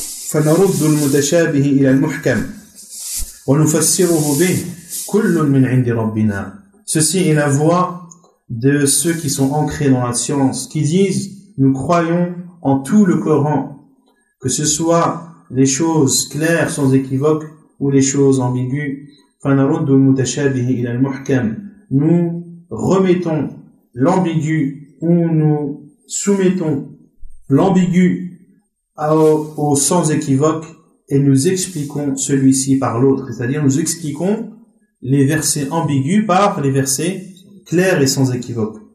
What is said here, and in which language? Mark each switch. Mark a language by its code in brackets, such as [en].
[ar] فنرد المتشابه إلى المحكم ونفسره به كل من عند ربنا. [fr] Ceci est la voix de ceux qui sont ancrés dans la science, qui disent, nous croyons en tout le Coran, que ce soit les choses claires sans équivoque ou les choses ambiguës. [ar] فنرد المتشابه إلى المحكم. [fr] Nous remettons l'ambigu ou nous soumettons l'ambigu au sans équivoque et nous expliquons celui-ci par l'autre, c'est-à-dire nous expliquons les versets ambigus par les versets clairs et sans équivoque.